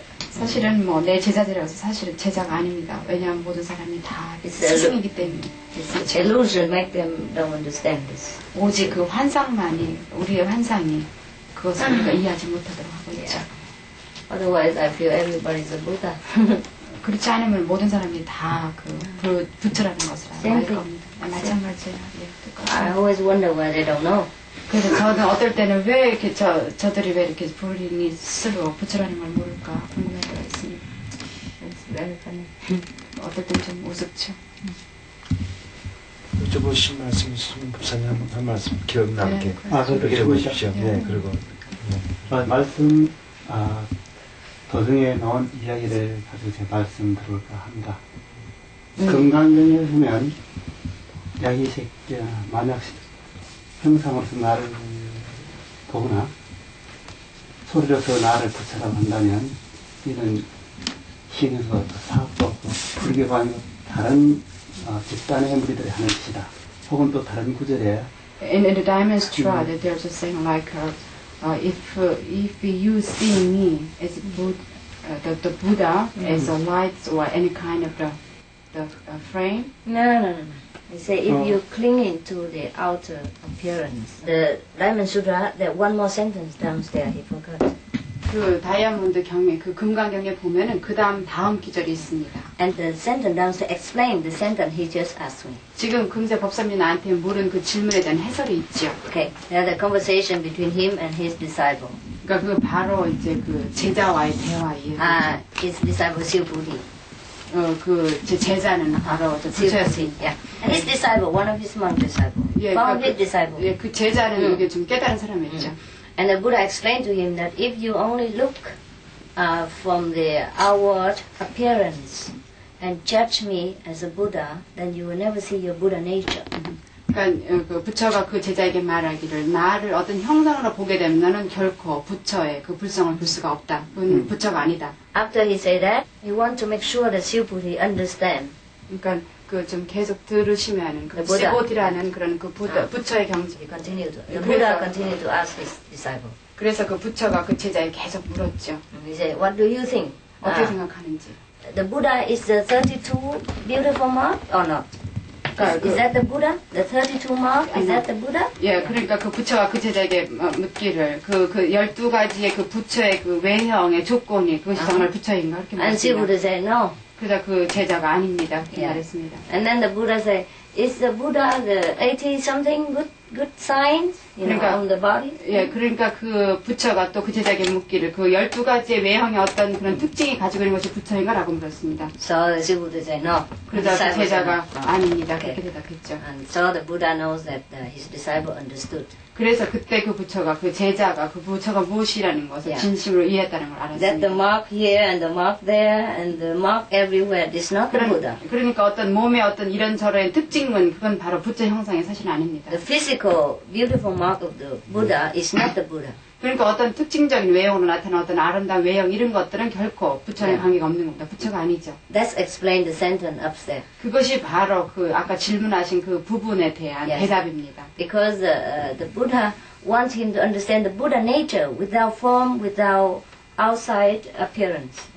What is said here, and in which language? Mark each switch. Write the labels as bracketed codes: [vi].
[ko] 사실은 뭐 내 제자들이라서 사실은 제자가 아닙니다. 왜냐하면 모든 사람이 다 스승이기 때문에. [en] It's a illusion make them don't understand this. [ko] 오직 그 환상만이 우리의 환상이 그것을 우리가 이해하지 못하도록 하고 있죠. [en] Otherwise, I feel everybody is a Buddha. [ko] 그렇지 않으면 모든 사람이 다 그 부처라는 것을 알 겁니다. 마찬가지예요. [en] I always wonder why they don't know. [ko] 그래서 저는 어떨 때는 왜 이렇게 저들이 왜 이렇게 본인이 스스로 부처라는 걸 모를까 궁금할 때가 있습니다. 어떨 때는 좀 우습죠. 여쭤보신 말씀 있으시면 부사님 한 말씀 기억나게. 아, 그렇게 해보십시오. 네, 그리고. 말씀, 도중에 나온 이야기를 가지고 제가 말씀 들어볼까 합니다. 금강경에 보면 야기색자 만약 형상으로서 나를 보거나 소리로서 나를 부처라고 한다면 이는 신에서 사업도 없고 불교관 다른 집단의 무리들이 하는 짓이다. 혹은 또 다른 구절에 [en] in the diamond strata, there's a saying like, if you see me as Buddha, the Buddha as a light or any kind of the frame. No. They say if you clinging to the outer appearance, the diamond sutra. That one more sentence downstairs, he forgot. [ko] 그 다이아몬드 경에 그 금강 경에 보면은 그다음 다음 기절이 있습니다. [en] And the sentence down to explain the sentence he just asked me. [ko] 지금 금세 법사님 나한테 물은 그 질문에 대한 해설이 있죠. [en] Okay. There the conversation between him and his disciple. [ko] 그러니까 그 바로 이제 그 제자와의 대화예요. [en] His disciple Sil Budhi. [ko] 그 제 제자는 바로 저 부처였습니다. [en] Yeah. And his disciple, one of his monk disciple. [ko] 예, 그러니까 [en] his disciple. [ko] 예, 그 제자는 이게 좀 깨달은 사람이었죠. [en] And the Buddha explained to him that if you only look from the outward appearance and judge me as a Buddha, then you will never see your Buddha nature. [ko] 그러니까 그 부처가 그 제자에게 말하기를 나를 어떤 형상으로 보게 되면 너는 결코 부처의 그 불성을 볼 수가 없다. 그는 부처가 아니다. [en] After he said that, he want to make sure that Sil Budhi understand. [ko] 그러니까 그 좀 계속 들으시면은 그 시보디라는 그런 그 부처, 부처의 경지. [en] Continued. The Buddha continued to ask his disciple. [ko] 그래서 그 부처가 그 제자에 계속 물었죠. [en] He said, what do you think? [ko] 어떻게 생각하는지. [en] The Buddha is the 32 beautiful mark or not? Is that the Buddha? The 32 mark? Is that the Buddha? [ko] 예, 그러니까 그 부처가 그 제자에게 묻기를 그 12가지의 그 부처의 그 외형의 조건이 그것이 정말 부처인가? 이렇게 [en] And Sil Budhi said, no. [ko] 그다 그 제자가 아닙니다. 그 말했습니다. [en] And then the Buddha said, "Is the Buddha the 80 something good signs on the body?" [ko] 예, 그러니까 그 부처가 또 그 제자에게 묻기를 그 열두 가지의 외형이 어떤 그런 특징이 가지고 있는 것이 부처인가라고 물었습니다. [en] So the Buddha said, "No." [ko] 그러자 그 제자가 아닙니다. 그렇게 대답했죠. [en] And so the Buddha knows that his disciple understood. [ko] 그래서 그때 그 부처가 그 제자가 그 부처가 무엇이라는 것을 진심으로 이해했다는 걸 알았습니다. [en] That the mark here and the mark there and the mark everywhere is not the Buddha. [ko] 그러니까 어떤 몸의 어떤 이런저런 특징은 그건 바로 부처 형상의 사실 아닙니다. [en] The physical beautiful mark of the Buddha is not the Buddha. [ko] 그러니까 어떤 특징적인 외형으로 나타나는 어떤 아름다운 외형 이런 것들은 결코 부처의 관계가 없는 겁니다. 부처가 아니죠. [en] That's explain the sentence upstairs. [ko] 그것이 바로 그 아까 질문하신 그 부분에 대한 대답입니다. [en] Because the Buddha wants him to understand the Buddha nature without form, without outside appearance.